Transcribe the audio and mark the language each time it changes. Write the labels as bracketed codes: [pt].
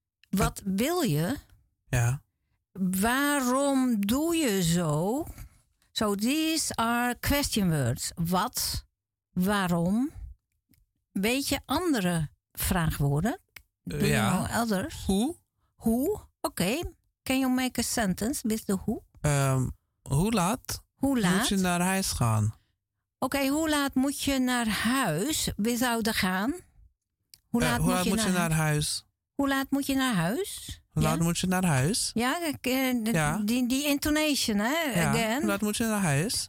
[nl] Wat wil je? Ja. Waarom doe je zo? [en] So these are question words. [nl] Wat, waarom? Weet je andere vraagwoorden? Do ja. [en] You know others? [nl] Hoe? Hoe? Oké. Okay. [en] Can you make a sentence with the who? [nl] Hoe laat? Hoe laat? Moet je naar huis gaan? Oké, okay, hoe laat moet je naar huis? We zouden gaan. Hoe laat hoe moet, laat je, moet naar je naar huis? Hoe laat moet je naar huis? Hoe laat moet je naar huis? Ja, die intonation, hè? Ja. [en] Again. [nl] Hoe laat moet je naar huis?